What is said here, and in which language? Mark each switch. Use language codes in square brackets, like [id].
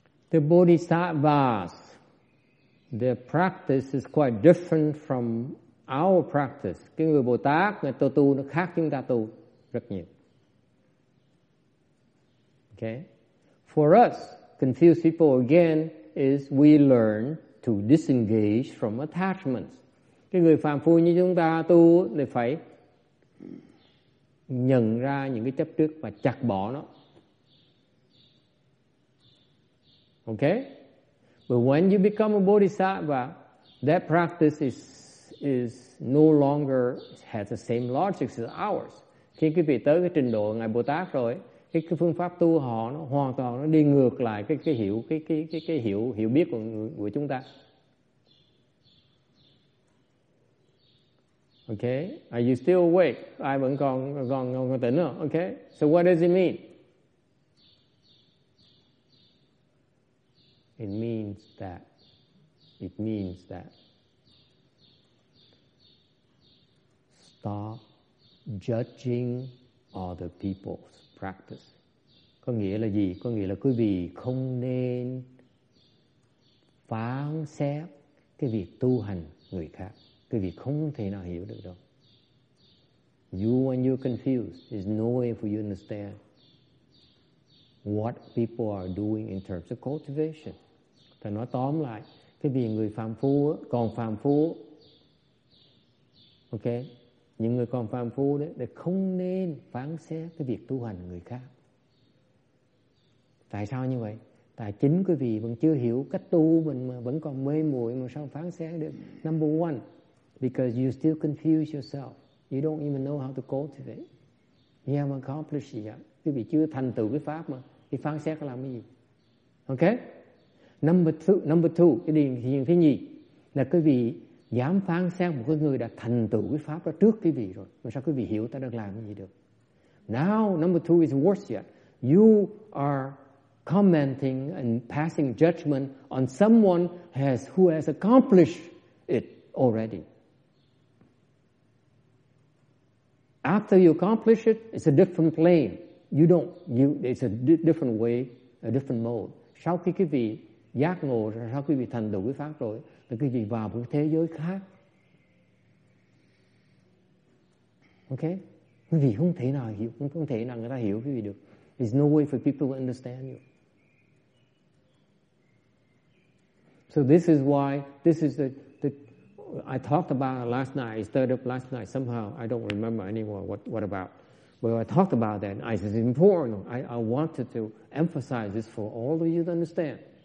[en] The Bodhisattvas, their practice is quite different from our practice. [vi] Cái người Bồ Tát, người tu nó khác chúng ta tu rất nhiều. [en] Okay. For us, confused people again is we learn to disengage from attachments. [vi] Cái người phàm phu như chúng ta tu thì phải nhận ra những cái chấp trước và chặt bỏ nó. [en] Okay? But when you become a bodhisattva, that practice is no longer has the same logic as ours. [vi] Khi quý vị tới cái trình độ ngài Bồ Tát rồi, cái phương pháp tu họ nó hoàn toàn nó đi ngược lại cái hiểu biết của chúng ta. [en] Okay, are you still awake? [vi] Ai vẫn còn tỉnh không? [en] Okay, so what does it mean? It means that stop judging other people's practice. [vi] Có nghĩa là gì? Có nghĩa là quý vị không nên phán xét cái việc tu hành người khác. Quý vị không thể nào hiểu được đâu. [en] You when you're confused, there's no way for you to understand what people are doing in terms of cultivation. [vi] Thì nói tóm lại, cái vì người phàm phu còn phàm phu, ok, những người còn phàm phu đấy, thì không nên phán xét cái việc tu hành người khác. Tại sao như vậy? Tại chính quý vị vẫn chưa hiểu cách tu mình mà vẫn còn mê muội mà sao phán xét được. [en] Number one, because you still confuse yourself. You don't even know how to cultivate. You haven't accomplished yet. [vi] Quý vị chưa thành tựu cái pháp mà thì phán xét làm cái gì? Ok? [en] Number two, [vi] cái điều thứ nhì là quý vị dám phán xét một cái người đã thành tựu cái pháp đó trước quý vị rồi. Mà sao quý vị hiểu ta đang làm cái gì được? [en] Now, number two is worse yet. You are commenting and passing judgment on someone who has accomplished it already. After you accomplish it, it's a different plane. It's a different way, a different mode. [vi] Sau khi quý vị giác ngộ, sau khi quý vị thành tựu cái pháp rồi, thì quý vị vào một thế giới khác. Okay? Quý vị không thể nào hiểu, không thể nào người ta hiểu quý vị được. [en] There's no way for people to understand you. So this is why, this is the I talked about it last night, I stirred up last night, somehow, I don't remember anymore what about. Well, I talked about that, and I said, it's important. I wanted to emphasize this for all of you to understand.